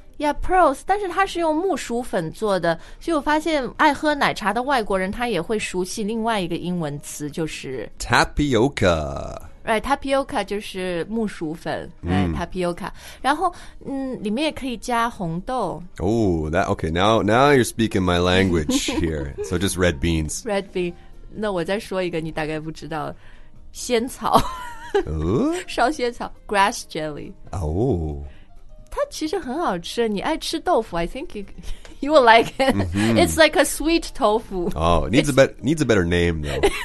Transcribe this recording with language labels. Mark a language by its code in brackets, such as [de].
[en] Yeah, pearls, [zh] 但是它是用木薯粉做的，所以我发现爱喝奶茶的外国人他也会熟悉另外一个英文词，就是 [en] Tapioca. Right, tapioca [zh] 就是木薯粉、 [en] right, tapioca. [zh] 然后、里面也可以加红豆。 [en] Oh, that, okay, now you're speaking my language here. So just red beans. Red bean. [zh] 那我再说一个你大概不知道，仙草。烧仙草 grass jelly. Oh. 它其实很好吃，你爱吃豆腐 [en] I think you will like it、 [zh] mm-hmm. [en] It's like a sweet tofu. Oh, needs a better name though.